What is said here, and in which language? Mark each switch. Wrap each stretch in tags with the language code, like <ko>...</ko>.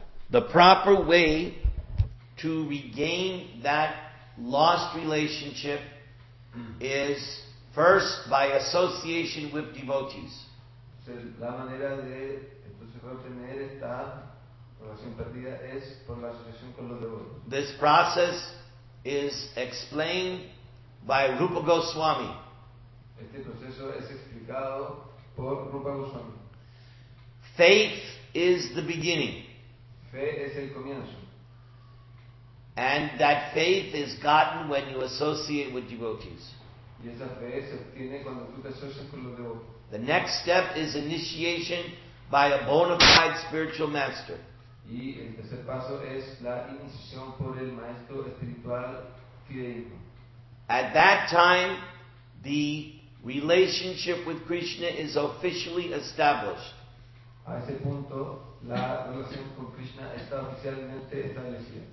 <en>The proper way to regain that lost relationship is first by association with devotees.</en> <es>La manera de obtener esta relación perdida es por la asociación con los devotos.</es> <en>This process is explained by Rupa Goswami.</en> <es>Este proceso es explicado por Rupa Goswami.</es> <en>Faith is the beginning.</en> <es>Fe es el comienzo.</es> <en>And that faith is gotten when you associate with devotees.</en> <es>Y esa fe se obtiene cuando tú te asocias con los devotos.</es> <en>The next step is initiation by a bona fide spiritual master.</en> <es>Y el tercer paso es la iniciación por el maestro espiritual fidedigno.</es> <en>At that time, the relationship with Krishna is officially established.</en> <es>A ese punto, la relación con Krishna está oficialmente establecida.</es>